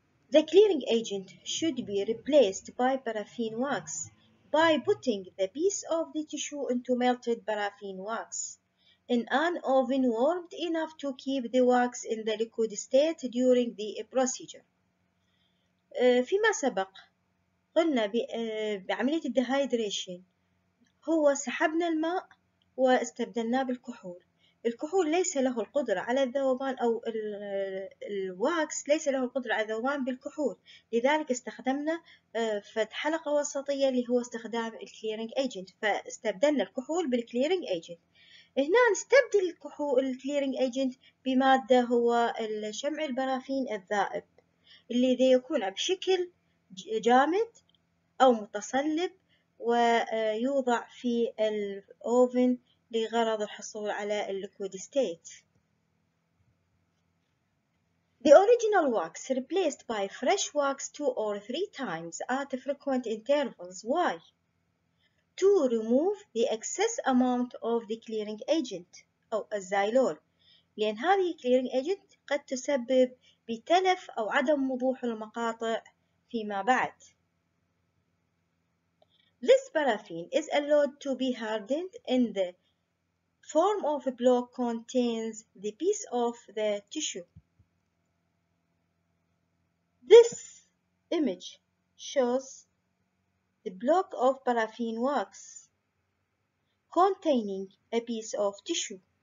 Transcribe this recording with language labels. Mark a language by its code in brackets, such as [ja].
[en] The clearing agent should be replaced by paraffin wax by putting the piece of the tissue into melted paraffin wax in an oven warmed enough to keep the wax in the liquid state during the procedure. [ar] فيما سبق قلنا بعملية الديهايدريشن هو سحبنا الماء واستبدلناه بالكحول. الكحول ليس له القدرة على الذوبان أو الواكس ليس له القدرة على الذوبان بالكحول، لذلك استخدمنا فتح حلقة وسطية اللي هو استخدام الكليرنج ايجنت، فاستبدلنا الكحول بالكليرنج ايجنت. هنا نستبدل الكحول الكليرنج ايجنت بمادة هو الشمع البرافين الذائب. اللي ذي يكون بشكل جامد أو متصلب ويوضع في الأوفن لغرض الحصول على الليكويد ستيت. [en] The original wax replaced by fresh wax 2 or 3 times at frequent intervals. Why? To remove the excess amount of the clearing agent [ar] أو الزايلول. لأن هذه clearing agent قد تسبب بتلف أو عدم وضوح المقاطع فيما بعد. [en] This paraffin is allowed to be hardened in the form of a block contains the piece of the tissue. This image shows the block of paraffin wax containing a piece of tissue.